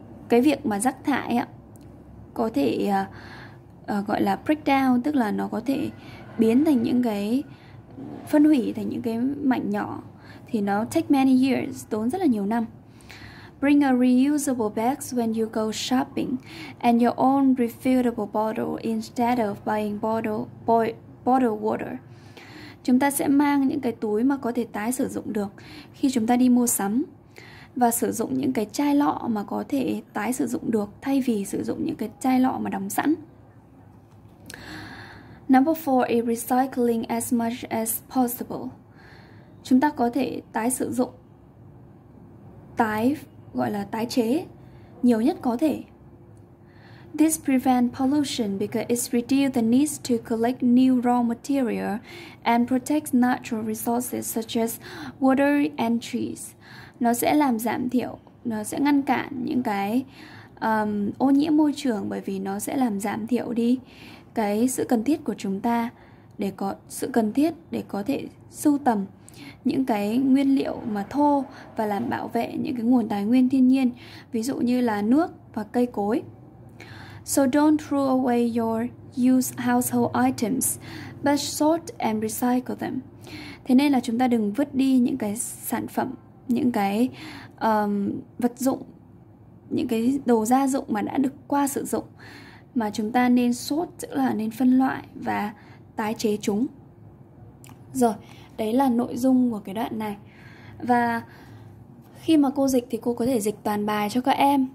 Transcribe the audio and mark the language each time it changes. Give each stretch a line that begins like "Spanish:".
Vietnamese: cái việc mà rác thải ạ có thể gọi là breakdown, tức là nó có thể biến thành những cái phân hủy thành những cái mảnh nhỏ, thì nó
English: take many years,
Vietnamese: tốn rất là nhiều năm.
English: Bring a reusable bags when you go shopping and your own refillable bottle instead of buying bottled water.
Vietnamese: Chúng ta sẽ mang những cái túi mà có thể tái sử dụng được khi chúng ta đi mua sắm, và sử dụng những cái chai lọ mà có thể tái sử dụng được thay vì sử dụng những cái chai lọ mà đóng sẵn.
English: Number 4 is recycling as much as possible.
Vietnamese: Chúng ta có thể tái sử dụng, tái chế nhiều nhất có thể.
English: This prevents pollution because it reduces the need to collect new raw material and protects natural resources such as water and trees.
Vietnamese: Nó sẽ làm giảm thiểu, nó sẽ ngăn cản những cái ô nhiễm môi trường, bởi vì nó sẽ làm giảm thiểu đi cái sự cần thiết của chúng ta để có sự cần thiết để có thể sưu tầm những cái nguyên liệu mà thô và làm bảo vệ những cái nguồn tài nguyên thiên nhiên, ví dụ như là nước và cây cối.
English: So don't throw away your used household items, but sort and recycle them.
Vietnamese: Thế nên là chúng ta đừng vứt đi những cái sản phẩm, những cái vật dụng, những cái đồ gia dụng mà đã được qua sử dụng, mà chúng ta nên sort, tức là nên phân loại và tái chế chúng. Rồi, đấy là nội dung của cái đoạn này. Và khi mà cô dịch thì cô có thể dịch toàn bài cho các em.